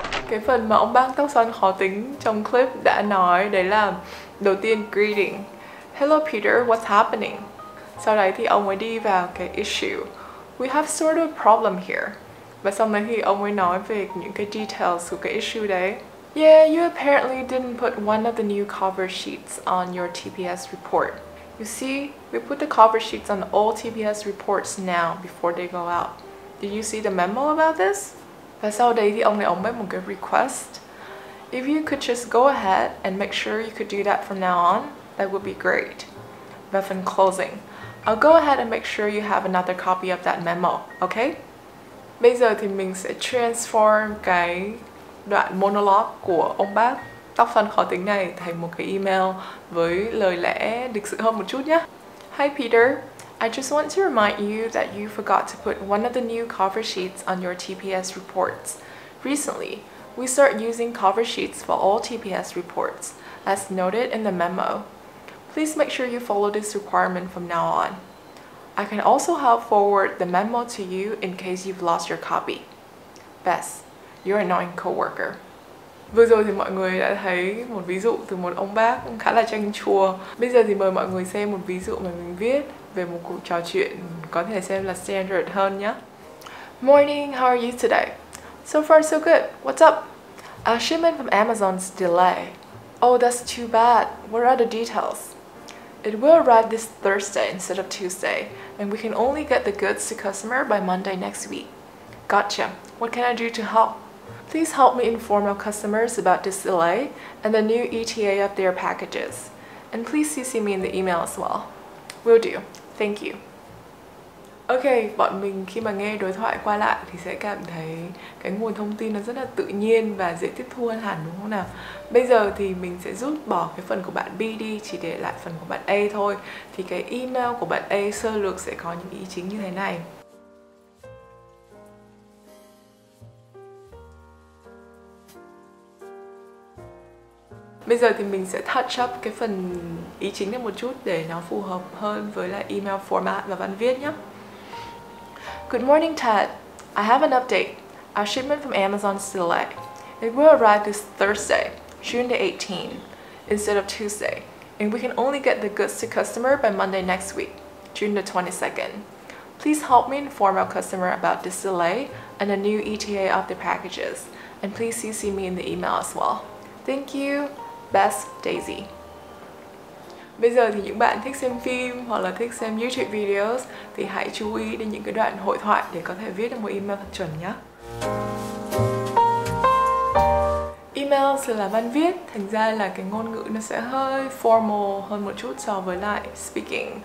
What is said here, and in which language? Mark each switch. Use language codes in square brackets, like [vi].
[vi] Cái phần mà ông bác tóc xoăn khó tính trong clip đã nói đấy là đầu tiên greeting. [en] Hello, Peter. What's happening? [vi] Sau đấy thì ông ấy đi vào cái issue. [en] We have sort of a problem here. [vi] Và sau đó thì ông ấy nói về những cái details của cái issue đấy. [en] Yeah, you apparently didn't put one of the new cover sheets on your TPS report. You see, we put the cover sheets on all TPS reports now before they go out. Did you see the memo about this? [vi] Và sau đấy thì ông ấy ông ấy một cái request. [en] If you could just go ahead and make sure you could do that from now on, that would be great. [vi] Và phần closing. [en] I'll go ahead and make sure you have another copy of that memo, okay? [vi] Bây giờ thì mình sẽ transform cái đoạn monologue của ông bác tóc xoăn khó tính này thành một cái email với lời lẽ lịch sự hơn một chút nhé. [en] Hi Peter, I just want to remind you that you forgot to put one of the new cover sheets on your TPS reports. Recently, we start using cover sheets for all TPS reports, as noted in the memo. Please make sure you follow this requirement from now on. I can also help forward the memo to you in case you've lost your copy. Bess, your annoying coworker. [vi] Vừa rồi thì mọi người đã thấy một ví dụ từ một ông bác cũng khá là chanh chua. Bây giờ thì mời mọi người xem một ví dụ mà mình viết về một cuộc trò chuyện có thể xem là standard hơn nhé. [en] Morning, how are you today? So far so good. What's up? A shipment from Amazon's delay. Oh, that's too bad. What are the details? It will arrive this Thursday instead of Tuesday, and we can only get the goods to customer by Monday next week. Gotcha. What can I do to help? Please help me inform our customers about this delay and the new ETA of their packages. And please CC me in the email as well. Will do. Thank you. [vi] Okay, bọn mình khi mà nghe đối thoại qua lại thì sẽ cảm thấy cái nguồn thông tin nó rất là tự nhiên và dễ tiếp thu hơn hẳn, đúng không nào? Bây giờ thì mình sẽ rút bỏ cái phần của bạn B đi, chỉ để lại phần của bạn A thôi. Thì cái email của bạn A sơ lược sẽ có những ý chính như thế này. Bây giờ thì mình sẽ touch up cái phần ý chính này một chút để nó phù hợp hơn với lại email format và văn viết nhé. [en] Good morning, Ted. I have an update. Our shipment from Amazon is delayed. It will arrive this Thursday, June the 18th, instead of Tuesday. And we can only get the goods to customer by Monday next week, June the 22nd. Please help me inform our customer about this delay and the new ETA of the packages. And please CC me in the email as well. Thank you. Best, Daisy. [vi] Bây giờ thì những bạn thích xem phim hoặc là thích xem YouTube videos thì hãy chú ý đến những cái đoạn hội thoại để có thể viết được một email thật chuẩn nhé. Email sẽ là văn viết, thành ra là cái ngôn ngữ nó sẽ hơi formal hơn một chút so với lại speaking.